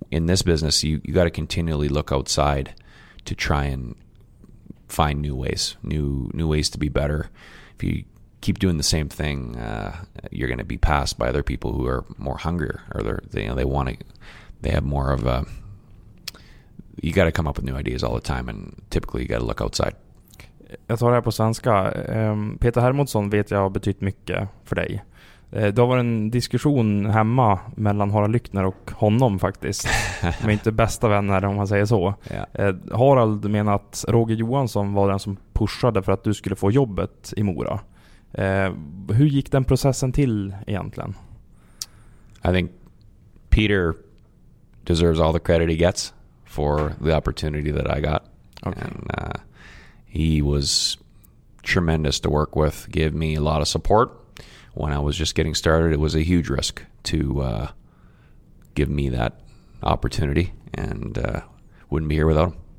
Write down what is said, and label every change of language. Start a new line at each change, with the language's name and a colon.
English: in this business, you got to continually look outside to try and find new ways to be better. If you keep doing the same thing, you're going to be passed by other people who are more hungrier, or they have more of a, you got to come up with new ideas all the time, and typically you got to look outside.
Swedish: Jag tar det här på svenska. Peter Hermodsson vet jag har betytt mycket för dig. Det har varit en diskussion hemma mellan Harald Lyckner och honom faktiskt. De är inte bästa vänner om man säger så. Ja. Harald menar att Roger Johansson var den som pushade för att du skulle få jobbet i Mora. Hur gick den processen till egentligen?
English: I think Peter deserves all the credit he gets for the opportunity that I got. Okay. And, he was tremendous to work with, gave me a lot of support. When I was just getting started, it was a huge risk to give me that opportunity, and wouldn't be here without him.